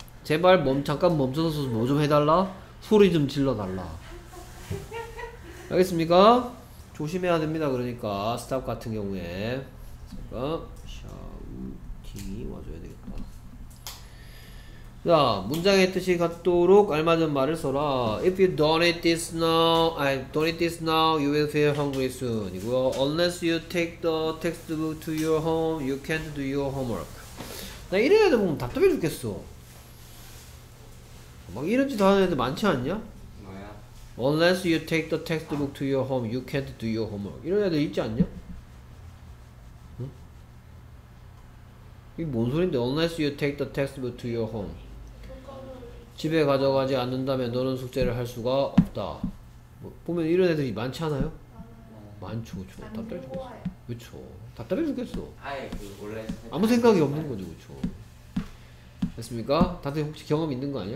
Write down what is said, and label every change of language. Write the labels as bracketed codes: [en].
[ko] 제발 잠깐 멈춰서 뭐 좀 해달라? 소리 좀 질러달라. 알겠습니까? 조심해야 됩니다. 그러니까 스탑 같은 경우에 잠깐 샤우팅이 와줘야 되겠다. 자 문장의 뜻이 같도록 알맞은 말을 써라. [en] If you don't eat this now, don't eat this now, you will feel hungry soon. 이거 unless you take the textbook to your home, you can't do your homework. [ko] 나 이런 애들 보면 답답해 죽겠어. 막 이런 짓 하는 애들 많지 않냐? 뭐야? [en] Unless you take the textbook to your home, you can't do your homework. [ko] 이런 애들 있지 않냐? 응? 이게 뭔 소린데? [en] Unless you take the textbook to your home. [ko] 집에 가져가지 않는다면 너는 숙제를 할 수가 없다. 뭐, 보면 이런 애들이 많지 않아요? 많죠, 그쵸. 답답해 죽겠어. 그쵸. 답답해 죽겠어. 아예 그 원래 아무 생각이 없는 거죠, 그쵸. 됐습니까? 다들 혹시 경험 있는 거 아니야?